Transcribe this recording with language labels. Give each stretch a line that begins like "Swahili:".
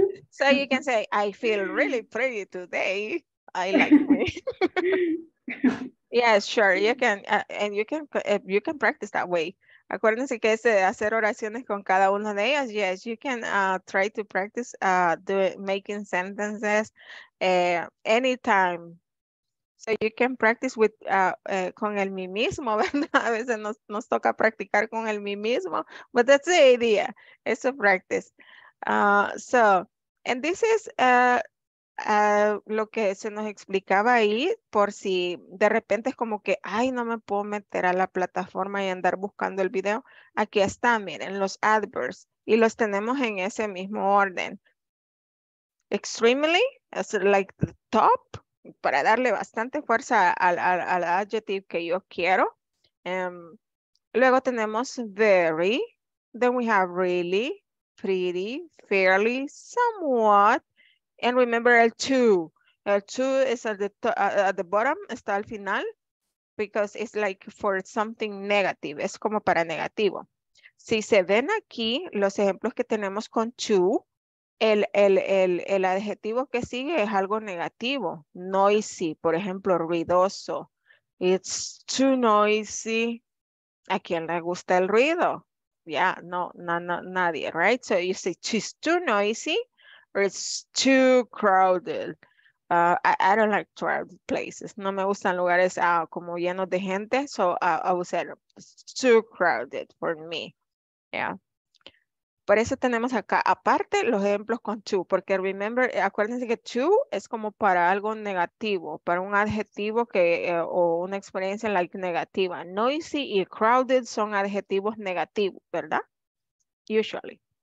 English: So you can say, I feel really pretty today. I like me. Yes, sure. You can, and you can practice that way.
Spanish: Acuérdense que es hacer oraciones con cada una de ellas.
English: Yes, you can try to practice making sentences anytime. So you can practice with
Spanish: con el mí mismo, ¿verdad? A veces nos toca practicar con el mí mismo,
English: but that's the idea. It's a practice. And this is
Spanish: lo que se nos explicaba ahí, por si de repente es como que, ay, no me puedo meter a la plataforma y andar buscando el video. Aquí está, miren, los adverbs, y los tenemos en ese mismo orden. Extremely,
English: as like the top,
Spanish: para darle bastante fuerza al adjective que yo quiero. Luego tenemos
English: very, then we have really, pretty, fairly, somewhat. And remember el two. El two is at the bottom,
Spanish: está al final,
English: because it's like for something negative.
Spanish: Es como para negativo. Si se ven aquí los ejemplos que tenemos con two, el adjetivo que sigue es algo negativo.
English: Noisy,
Spanish: por ejemplo, ruidoso.
English: It's too noisy.
Spanish: ¿A quién le gusta el ruido? Yeah, no, nadie, right?
English: So you say, she's too noisy. Or it's too crowded. I don't like crowded places.
Spanish: No me gustan lugares como llenos de gente.
English: So I would say it's too crowded for me. Yeah.
Spanish: Por eso tenemos acá, aparte, los ejemplos con to. Porque remember, acuérdense que to es como para algo negativo, para un adjetivo que, o una experiencia like negativa. Noisy y crowded son adjetivos negativos, ¿verdad? Usually.